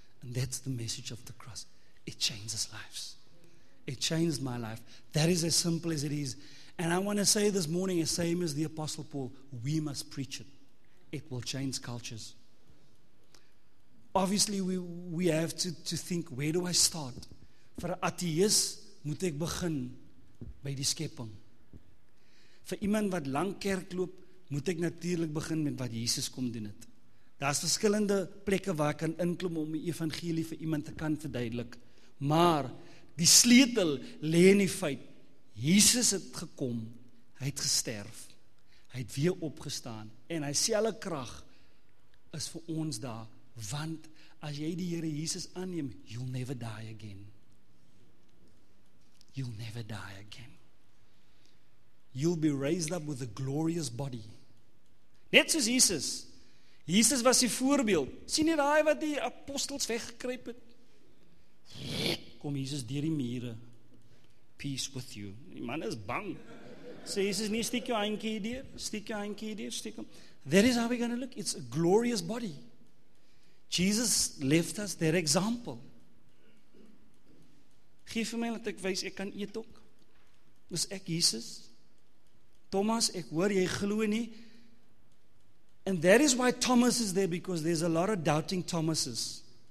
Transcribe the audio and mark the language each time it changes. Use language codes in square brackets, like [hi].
[en] And that's the message of the cross. It changes lives. It changed my life. That is as simple as it is. And I want to say this morning, the same as the Apostle Paul, we must preach it. It will change cultures. Obviously, we have to think, where do I start? For an atheist, [af] moet ek begin by die skepping. For iemand wat lang kerk loop, moet ek natuurlijk begin met wat Jesus kom doen het. Daar is verskillende plekke waar ek kan inklim om die evangelie vir iemand te kan verduidelik. Maar die sleutel lê in die feit, Jesus het gekom, hy het gesterf, hy het weer opgestaan, en hy selfe krag is vir ons daar, want as jy die Here Jesus aanneem, [en] you'll never die again. You'll never die again. You'll be raised up with a glorious body. [af] Net soos Jesus. Jesus was die voorbeeld. Sien nie daai wat die apostels weggekruip het? Kom Jesus deur die mure. [en] Peace with you. [af] Die man is bang. Sê Jesus nie, steek jou handjie hier, steek jou handjie hier, steek hom. [en] That is how we're going to look. It's a glorious body. Jesus left us their example. [af] Geef vir my dat ek wys, ek kan eet ook. Is ek Jesus? Thomas, ek hoor, jy glo nie. [en] And that is why Thomas is there, because there's a lot of doubting Thomases.